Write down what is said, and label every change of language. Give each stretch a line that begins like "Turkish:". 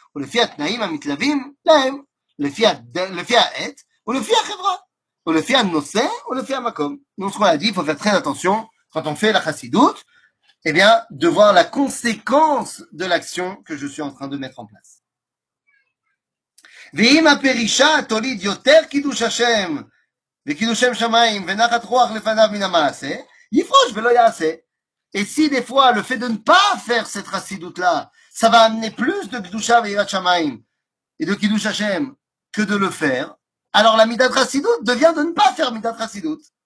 Hebrew: ולפי התנאים המתלווים להם, לפי העת ולפי החברה, ולפי הנושא ולפי המקום.
French: Donc, on a dit, il faut faire très attention quand on fait la chassidut, eh bien, de voir la conséquence de l'action que je suis en train de mettre en place.
Hebrew: ואם הפרישה תוליד יותר קידוש השם וקידוש שם שמיים ונחת רוח לפניו מן המעשה, יפרוש ולא יעשה.
French: Et si des fois, le fait de ne pas faire cette chassidut-là, ça va amener plus de Kedusha Veirat Shamaim et de Kiddush Hashem que de le faire, alors la Midat Rassidut devient de ne pas faire Midat Rassidut.